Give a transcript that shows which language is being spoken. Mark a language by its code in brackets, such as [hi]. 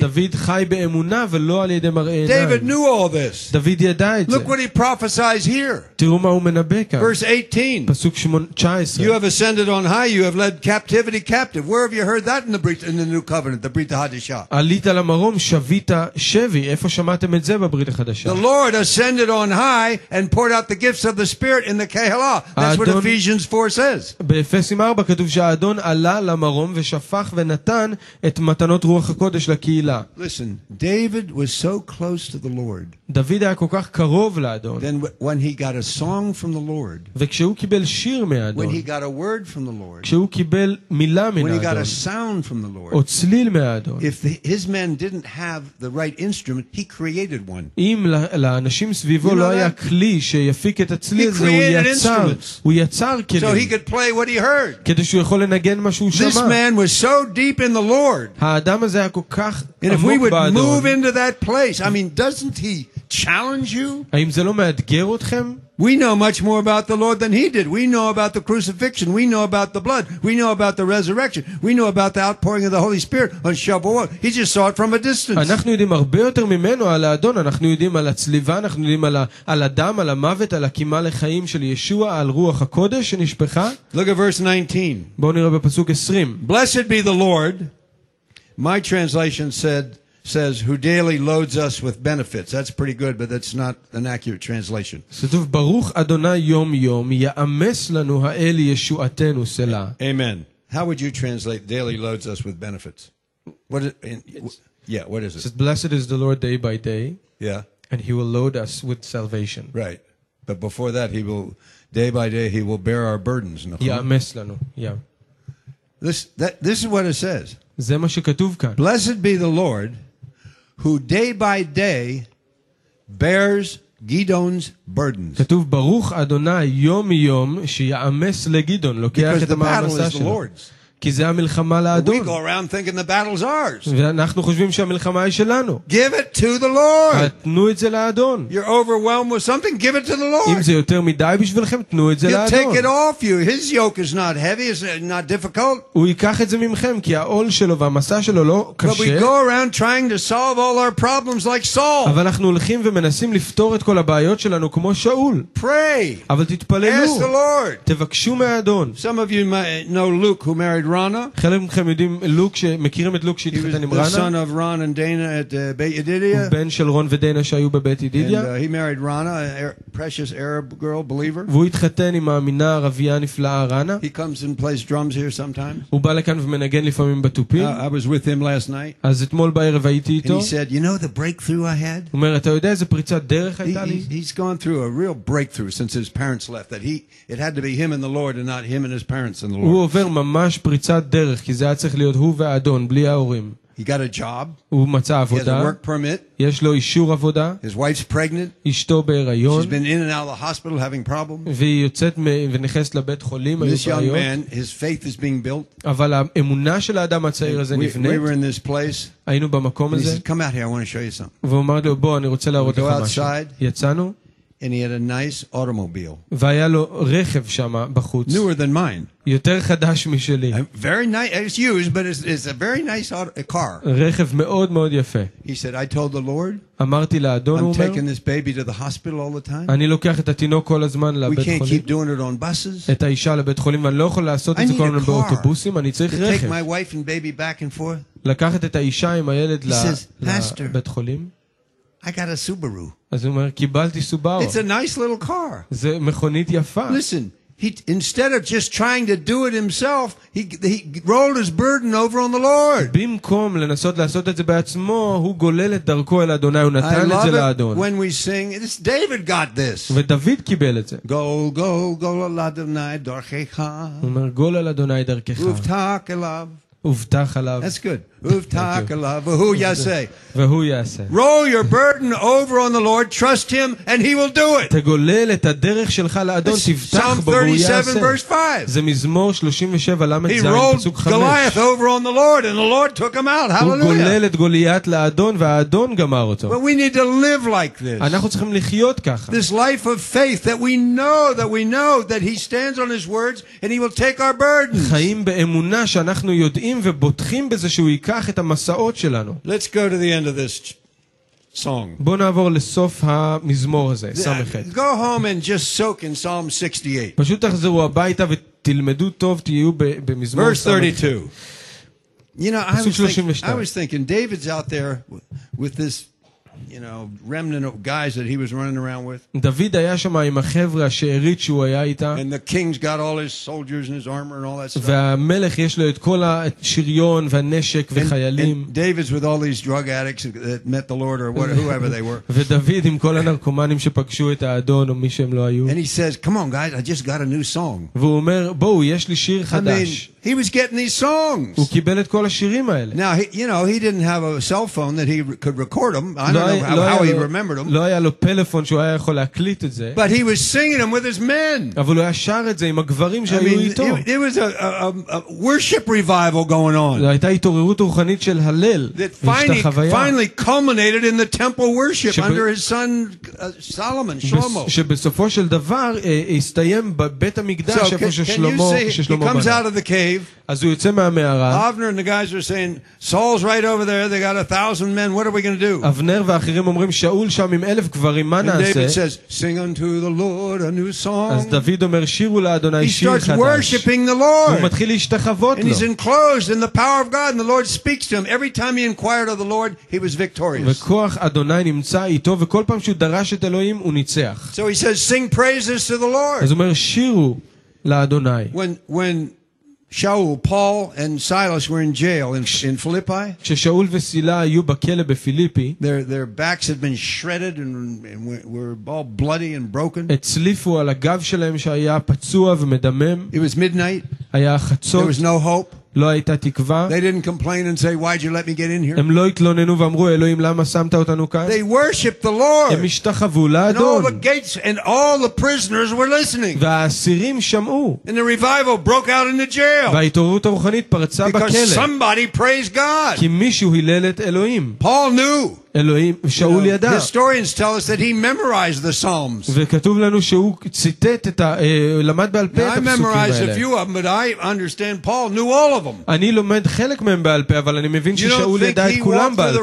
[he] דוד חי באמונה ולא על ידי מראה עיניים. [en] David knew all this. [he] דוד ידע את זה. [en] Look what he prophesies here. [he] תראו מה הוא מנבא כאן. [en] Verse 18. [he] פסוק 19. [en] You have ascended on high, you have led captivity captive. Where have you heard that in the new covenant, the Brit Hadashah? [he] עלית למרום, שבית שבי. איפה שמעתם את זה בברית החדשה? [en] The Lord ascended on high and poured out the gifts of the Spirit in the Kehillah. That's what Ephesians 4 says. [he] באפסים 4 כתוב שהאדון עלה למרום ושפך ונתן את מתנות רוח הקודש לקהילה. [en] Listen, David was so close to the Lord. [he] דוד היה כל כך קרוב לאדון. [en] Then when he got a song from the Lord. [he] וכשהוא קיבל שיר מהאדון. [en] When he got a word from the Lord. [he] כשהוא קיבל מילה מהאדון. [en] When he got a sound from the Lord. [he] או צליל מהאדון. [en] If his men didn't have the right instrument, he created one. [he] אם לאנשים סביבו לא היה כלי שיפיק את הצליל הזה, הוא יצר כלים. [en] So he could play what he heard. [he] כדי שהוא יכול לנגן מה שהוא שמע. [en] This man was so deep in the Lord. [he] האדם הזה היה כל כך עמוק באדון. [en] And if we would move into that place, I mean, doesn't he challenge you? [he] האם זה לא מאתגר אתכם? [en] We know much more about the Lord than he did. We know about the crucifixion. We know about the blood. We know about the resurrection. We know about the outpouring of the Holy Spirit on Shavuot. He just saw it from a distance. [he] אנחנו יודעים הרבה יותר ממנו על האדון. אנחנו יודעים על הצליבה. אנחנו יודעים על הדם, על המוות, על הקימה לחיים של ישוע, על רוח הקודש שנשפחה. [en] Look at verse 19. [he] בואו נראה בפסוק 20. [en] Blessed be the Lord. My translation says who daily loads us with benefits. That's pretty good, but that's not an accurate translation. [he] כתוב ברוך אדוני יום יום יאמס לנו האל ישועתנו סלה. [en] Amen. How would you translate daily loads us with benefits? What is it? It's blessed is the Lord day by day. Yeah. And he will load us with salvation. Right. But before that he will day by day he will bear our burdens. [he] יאמס לנו. [en] Yeah. This is what it says. [he] זה מה שכתוב כאן. [en] Blessed be the Lord who day by day bears Gideon's burdens. [he] כתוב ברוך אדוני יום יום שיאמס לגידון, לוקח את המעמסה שלו. כי זה המלחמה לאדון. [en] We go around thinking the battle's ours. [he] ואנחנו חושבים שהמלחמה היא שלנו. [en] Give it to the Lord. [he] תנו את זה לאדון. [en] You're overwhelmed with something, give it to the Lord. [he] אם זה יותר מדי בשבילכם, תנו את זה לאדון. [en] He'll take it off you. His yoke is not heavy, it's not difficult. [he] הוא ייקח את זה ממכם, כי העול שלו והמסע שלו לא קשה. [en] But we go around trying to solve all our problems like Saul. [he] אבל אנחנו הולכים ומנסים לפתור את כל הבעיות שלנו כמו שאול. [en] Pray. [he] אבל תתפללו. [en] Ask the Lord. [he] תבקשו מהאדון. [en] Some of you might know Luke who married Rana. [he] חלקכם יודעים לוק שמכירים את לוק שהתחתן עם רנה. [en] The son of Ron and Dana at Beit Yedidia. [he] בן של רון ודנה שהיו בבית ידידיה. [en] He married Rana, a precious Arab girl believer. [he] והוא התחתן עם האמינה הערבייה הנפלאה רנה. [en] He comes and plays drums here sometimes. [he] הוא בא לכאן ומנגן לפעמים בתופים. [en] I was with him last night. [he] אז אתמול בערב הייתי איתו. [en] He said, "You know the breakthrough I had?" [he] הוא אומר, אתה יודע איזה פריצת דרך הייתה לי? [en] He's gone through a real breakthrough since his parents left that it had to be him and the Lord and not him and his parents and the Lord. [he] הוא עובר ממש פריצת דרך, כי זה היה צריך להיות הוא והאדון, בלי ההורים. [en] He got a job. [he] הוא מצא עבודה. [en] He has a work permit. [he] יש לו אישור עבודה. [en] His wife's pregnant. [he] אשתו בהיריון. [en] She's been in and out of the hospital having problems. [he] והיא יוצאת ונכנסת לבית חולים. [en] This young man, his faith is being built. [he] אבל האמונה של האדם הצעיר הזה נבנית. [en] We were in this place. [he] היינו במקום הזה. [en] He said, "Come out here, I want to show you something." [he] והוא אמר לו, "בוא, אני רוצה להראות לך משהו." [en] We go outside. [he] יצאנו. [en] And he had a nice automobile. [he] והיה לו רכב שמה בחוץ. [en] Newer than mine. [he] יותר חדש משלי. [en] Very nice, it's used, but it's a very nice car. [he] רכב מאוד מאוד יפה. [en] He said, "I told the Lord." [he] אמרתי לאדון, [en] "I'm taking this baby to the hospital all the time." [he] אני לוקח את התינוק כל הזמן לבית חולים. [en] We can't keep doing it on buses. [he] את האישה לבית חולים, ואני לא יכול לעשות את זה כל הזמן באוטובוסים. אני צריך רכב. [en] Take my wife and baby back and forth. [he] לקחת את האישה עם הילד לבית חולים. [en] I got a Subaru. [he] אז הוא אומר, קיבלתי סובארו. [en] It's a nice little car. [he] זה מכונית יפה. [en] Listen, instead of just trying to do it himself, he rolled his burden over on the Lord. [he] במקום לנסות לעשות את זה בעצמו, הוא גולל את דרכו אל אדוני, הוא נתן את זה לאדון. [en] I love it when we sing, "This David got this." [he] ודוד קיבל את זה. Gol, gol, gol al Adonai darkecha. הוא אומר, גול על אדוני דרכך. Uftach elav. Uftach elav. [en] That's good. [he] Uftach elav. [en] Who ya say? Who ya say? Roll your burden over on the Lord, trust him and he will do it. [he] תגולל את הדרך שלך לאדון, תפתח בו, הוא יעשה. זה מזמור 37 למד זין, פסוק 5. [en] He rolled Goliath over on the Lord and the Lord took him out. Hallelujah. [he] הוא גולל את גוליית לאדון והאדון גמר אותו. [en] But we need to live like this. [he] אנחנו צריכים לחיות ככה. [en] This life of faith that we know that he stands on his words and he will take our burdens. [he] חיים באמונה שאנחנו יודעים ובוטחים בזה שהוא ייקח את המסעות שלנו. [en] Let's go to the end of this song. [he] בוא נעבור לסוף המזמור הזה, סמכת. [en] Go home and just soak in Psalm 68. [he] פשוט תחזרו הביתה ותלמדו טוב, תהיו במזמור סמכת. [en] Verse 32. You know, I was thinking David's out there with this you know, remnant of guys that he was running around with. [he] David היה שם עם החבר'ה שארית שהוא היה איתה. [en] And the king's got all his soldiers and his armor and all that stuff. [he] והמלך יש לו את כל השריון והנשק וחיילים. [en] And David's with all these drug addicts that met the Lord or whoever they were. [he] ודוד עם כל הנרקומנים שפגשו את האדון או מי שהם לא היו. [en] And he says, "Come on guys, I just got a new song." [he] והוא אומר, "בואו, יש לי שיר חדש." [en] He was getting these songs. [he] הוא קיבל את כל השירים האלה. [en] Now, he, you know, he didn't have a cell phone that he could record them. I don't know how he remembered them. [he] לא היה לו פלאפון שהוא היה יכול להקליט את זה. [en] But he was singing them with his men. [he] אבל הוא היה שר את זה עם הגברים שהיו איתו. [en] It was a worship revival going on. [he] זו הייתה התעוררות רוחנית של הלל. [en] That finally culminated in the temple worship under his son Solomon, Shlomo. [he] שבסופו של דבר הסתיים בבית המקדש שבו ששלמה בנה. [en] He comes out of the cave. [he] אז הוא יוצא מהמערה. [en] Avner and the guys are saying, Saul's right over there. They got 1,000 men. What are we going to do? [he] Avner ואחרים אומרים, שאול שם עם 1,000 גברים. מה נעשה? [en] And David says, Sing unto the Lord a new song. [he] אז דוד אומר, שירו לאדוני שיר חדש. [en] He starts worshiping the Lord. [he] הוא מתחיל להשתחוות לו. [en] And he's enclosed in the power of God, and the Lord speaks to him. Every time he inquired of the Lord, he was victorious. [he] וכוח אדוני נמצא איתו, וכל פעם שהוא דרש את אלוהים, הוא ניצח. [en] So he says, Sing praises to the Lord. [he] אז הוא אומר, שירו לאדוני. [en] When Shaul, Paul and Silas were in jail in Philippi. [he] כששאול וסילה היו בכלא בפיליפי. [en] Their backs had been shredded and were all bloody and broken. [he] הצליפו על הגב שלהם שהיה פצוע ומדמם. [en] It was midnight. [he] היה חצות. [en] There was no hope. [he] לא הייתה תקווה. [en] They didn't complain and say, "Why'd you let me get in here?" [he] הם לא התלוננו ואמרו, "אלוהים, למה שמת אותנו כאן?" [en] They worshiped the Lord. [he] הם השתחוו לאדון. [en] And all the gates and all the prisoners were listening. [he] והאסירים שמעו. [en] And the revival broke out in the jail. [he] וההתעוררות הרוחנית פרצה בכלא. [en] Because somebody praised God. [he] כי מישהו הילל את אלוהים. [en] Paul knew. [he] אלוהים, שאול ידע. [en] Historians tell us that he memorized the Psalms. [he] וכתוב לנו שהוא ציטט את למד בעל פה את הפסוקים האלה. [en] I memorized a few of them, but I understand Paul knew all of them. [he] אני לומד חלק מהם בעל פה, אבל אני מבין ששאול ידע את כולם בעל פה.